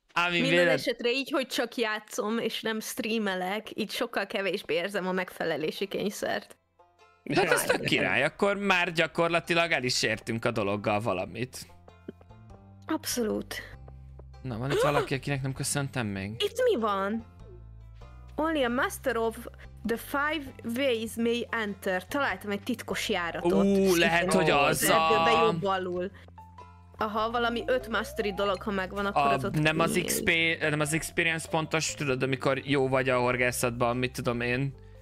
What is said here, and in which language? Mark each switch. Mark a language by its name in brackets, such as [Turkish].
[Hungarian] Minden esetre így, hogy csak játszom és nem streamelek, így sokkal kevésbé érzem a megfelelési kényszert. Hát az tök király, akkor már gyakorlatilag el is értünk a dologgal valamit. Abszolút. Na, van itt valaki, akinek nem köszöntem még? Itt mi van? [English] Only a master of the five ways may enter. [Hungarian] Találtam egy titkos járatot. Lehet, hogy az a... Aha, valami öt mastery dolog, ha megvan, akkor az ott nem az XP, nem az experience pontos, tudod, amikor jó vagy a horgászatban, mit tudom én.